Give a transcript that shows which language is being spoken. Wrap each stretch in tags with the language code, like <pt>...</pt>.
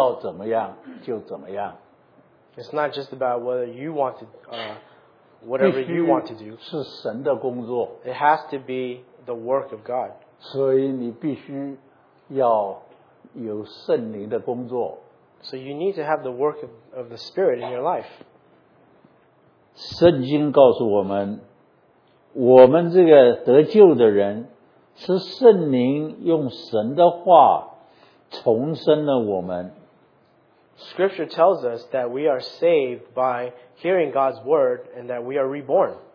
<zh>不是你要怎么样就怎么样。</zh> <en>It's not just about whether you want to, whatever you want to do.</en> <zh>是神的工作。</zh> <en>It has to be the work of God.</en> <zh>所以你必须要有圣灵的工作。</zh> <en>So you need to have the work of the Spirit in your life.</en> <zh>圣经告诉我们，我们这个得救的人。是圣灵用神的话重生了我们。</zh> <en>Scripture tells us that we are saved by hearing God's word and that we are reborn.</en>